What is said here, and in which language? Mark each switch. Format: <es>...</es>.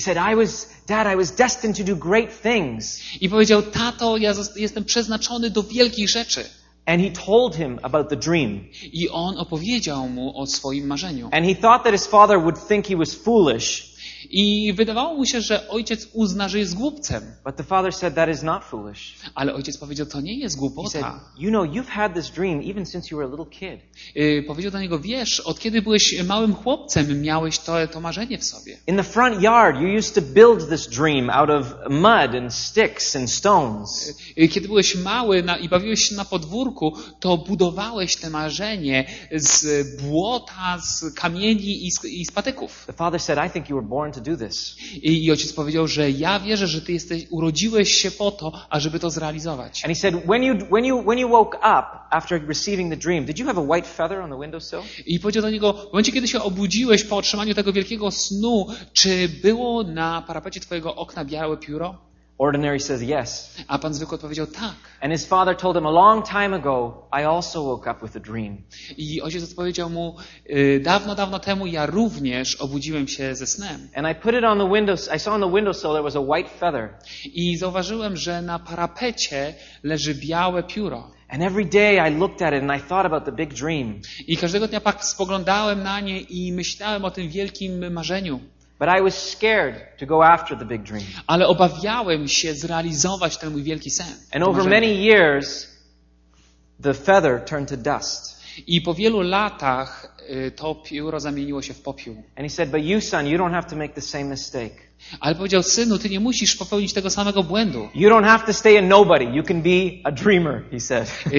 <en>He said, I was destined to do great things.</en> <pl>I powiedział, tato, ja jestem przeznaczony do wielkich rzeczy.</pl> <en>And he told him about the dream.</en> <pl>I on opowiedział mu o swoim marzeniu.</pl> <en>And he thought that his father would think he was foolish.</en> <pl>I wydawało mu się, że ojciec uzna, że jest głupcem.</pl> <en>But the father said, that is not foolish.</en> <pl>Ale ojciec powiedział, to nie jest głupota.</pl> <en>You know, you've had this dream even since you were a little kid.</en> <pl>Powiedział do niego, wiesz, od kiedy byłeś małym chłopcem, miałeś to marzenie w sobie.</pl> <en>In the front yard, you used to build this dream out of mud and sticks and stones.</en> <pl>Kiedy byłeś mały i bawiłeś się na podwórku, to budowałeś te marzenie z błota, z kamieni i z patyków.</pl> <en>The father said, I think you were born. To do this.</en> <pl>I ojciec powiedział, że ja wierzę, że ty jesteś urodziłeś się po to, ażeby to zrealizować.</pl> <en>And he said, when you woke up after receiving the dream, did you have a white feather on the windowsill?</en> <pl>I powiedział do niego, w momencie, kiedy się obudziłeś po otrzymaniu tego wielkiego snu, czy było na parapecie twojego okna białe pióro?</pl> <en>Ordinary says yes.</en> <pl>A pan zwykły odpowiedział tak.</pl> <en>And his father told him a long time ago, I also woke up with a dream.</en> <pl>I ojciec odpowiedział mu, dawno, dawno temu ja również obudziłem się ze snem.</pl> <en>And I put it on the window, I saw on the windowsill there was a white feather.</en> <pl>I zauważyłem, że na parapecie leży białe pióro.</pl> <en>And every day I looked at it and I thought about the big dream.</en> <pl>I każdego dnia pak spoglądałem na nie i myślałem o tym wielkim marzeniu.</pl> <en>But I was scared to go after the big dream.</en> <pl>Ale obawiałem się zrealizować ten mój wielki sen.</pl> <en>And over many years, the feather turned to dust.</en> <pl>I po wielu latach to pióro zamieniło się w popiół.</pl> <en>And he said, "But you, son, you don't have to make the same mistake."</en> <pl>Ale powiedział, synu, ty nie musisz popełnić tego samego błędu.</pl> <en>You don't have to stay a nobody. You can be a dreamer, he said.</en>